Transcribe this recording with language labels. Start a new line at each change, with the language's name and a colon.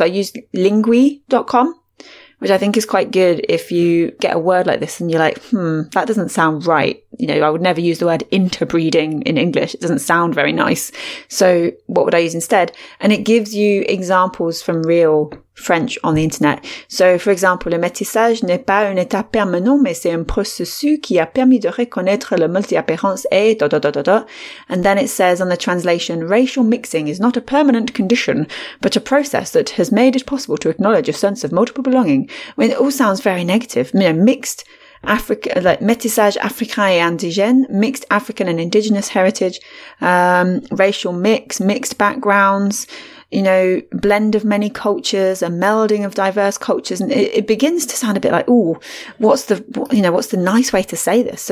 English: I use lingui.com, which I think is quite good if you get a word like this and you're like, that doesn't sound right. You know, I would never use the word interbreeding in English. It doesn't sound very nice. So what would I use instead? And it gives you examples from real French on the internet. So, for example,
French: le métissage n'est pas un état permanent, mais c'est un processus qui a permis de reconnaître la multi-appearance et dot, dot, dot, dot, dot.
English: And then it says on the translation, racial mixing is not a permanent condition, but a process that has made it possible to acknowledge a sense of multiple belonging. I mean, it all sounds very negative. You know, mixed Africa, like
French: métissage africain et indigène,
English: mixed African and indigenous heritage, racial mix, mixed backgrounds, you know, blend of many cultures, a melding of diverse cultures. And it begins to sound a bit like, ooh, what's the nice way to say this?